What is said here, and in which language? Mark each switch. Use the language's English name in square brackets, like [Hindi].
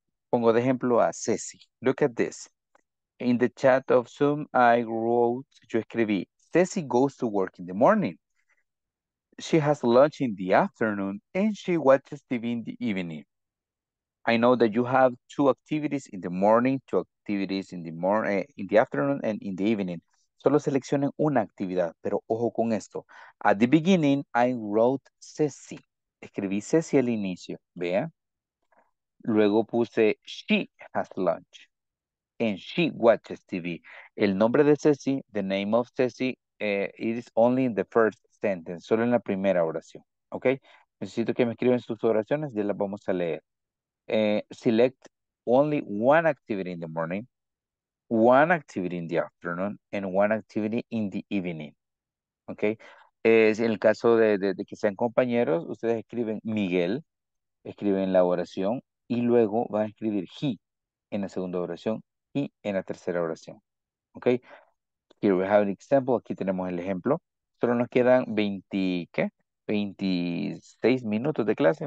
[Spanish] Pongo de ejemplo a Ceci. [English] Look at this. In the chat of Zoom, I wrote, [Spanish] yo escribí, [English] Ceci goes to work in the morning. She has lunch in the afternoon and she watches TV in the evening. I know that you have two activities in the morning, two activities in the afternoon and in the evening. [Spanish] Solo seleccionen una actividad, pero ojo con esto. [English] At the beginning, I wrote Ceci. [Spanish] Escribí Ceci al inicio, vea. Luego puse [English] she has lunch and she watches TV. [Spanish] El nombre de Ceci, [English] the name of Ceci, it is only in the first sentence, [Spanish] solo en la primera oración, [English] ¿ok? [Spanish] Necesito que me escriban sus oraciones, ya las vamos a leer. [English] Select only one activity in the morning, one activity in the afternoon, and one activity in the evening, ¿ok? [Spanish] En el caso de que sean compañeros, ustedes escriben Miguel, escriben la oración, y luego van a escribir he en la segunda oración y en la tercera oración, ¿ok? [English] Here we have an example, [Spanish] aquí tenemos el ejemplo. Solo nos quedan 26 minutos de clase.